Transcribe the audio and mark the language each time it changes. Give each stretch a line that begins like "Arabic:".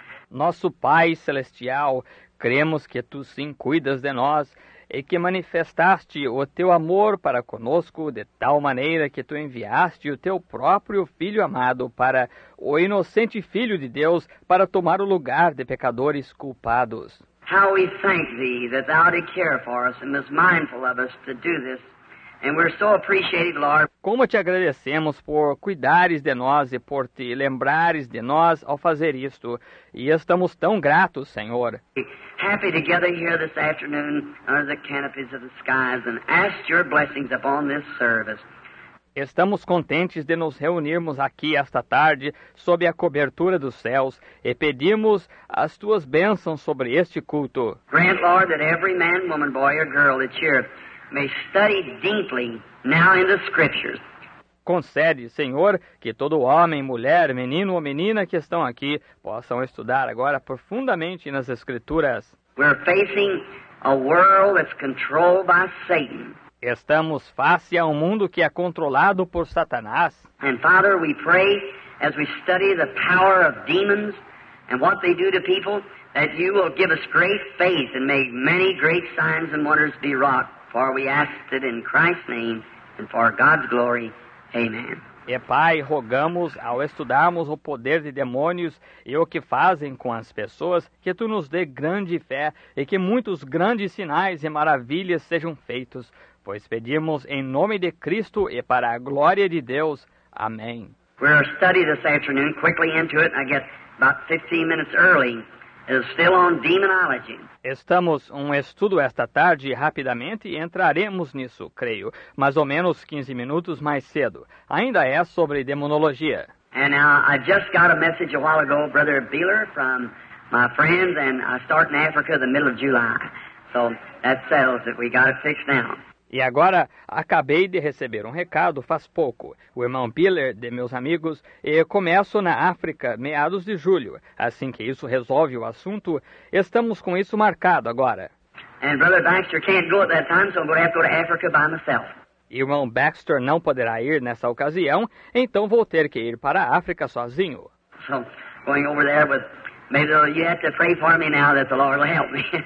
Portuguese: Nosso Pai Celestial, cremos que tu sim cuidas de nós, e que manifestaste o teu amor para conosco de tal maneira que tu enviaste o teu próprio Filho amado para o inocente Filho de Deus para tomar o lugar de pecadores culpados.
English: How we thank thee that thou didst care for us and was mindful of us to do this. And we're so appreciated, Lord.
Portuguese: Como te agradecemos por cuidares de nós e por te lembrares de nós ao fazer isto. E estamos tão gratos, Senhor.
English: Happy together here this afternoon under the canopies of the skies and ask your blessings upon this service.
Portuguese: Estamos contentes de nos reunirmos aqui esta tarde sob a cobertura dos céus e pedimos as tuas bênçãos sobre este culto.
English: Grant, Lord, that every man, woman, boy or girl that's here may study deeply now in the scriptures.
Portuguese: Concede, Senhor, que todo homem, mulher, menino ou menina que estão aqui possam estudar agora profundamente nas escrituras.
English: We're facing a world that's controlled by Satan.
Portuguese: Estamos face a um mundo que é controlado por Satanás.
English: And Father, we pray as we study the power of demons and what they do to people that you will give us great faith and may many great signs and wonders be wrought. For we ask it in Christ's name and for God's glory. Amen.
Portuguese: E Pai, rogamos ao estudarmos o poder de demônios e o que fazem com as pessoas, que tu nos dê grande fé e que muitos grandes sinais e maravilhas sejam feitos. Pois pedimos em nome de Cristo e para a glória de Deus. Amém.
English: We're studying this afternoon, quickly into it, I guess about 15 minutes early. It's still on demonology.
Portuguese: Estamos um estudo esta tarde rapidamente e entraremos nisso, creio, mais ou menos 15 minutos mais cedo. Ainda é sobre demonologia.
English: And I just got a message a while ago, Brother Beeler, from my friends, and I start in Africa the middle of July. So that settles it. We got it fixed now.
Portuguese: E agora, acabei de receber um recado faz pouco. O irmão Piller, de meus amigos, e começo na África, meados de julho. Assim que isso resolve o assunto, estamos com isso marcado agora.
English: And Brother Baxter can't go at that time, so I'm going to have to go to Africa by myself.
Portuguese: E o irmão Baxter não poderá ir nessa ocasião, então vou ter que ir para a África sozinho.
English: So, going over there with... Maybe you have to pray for me now that the Lord will help me.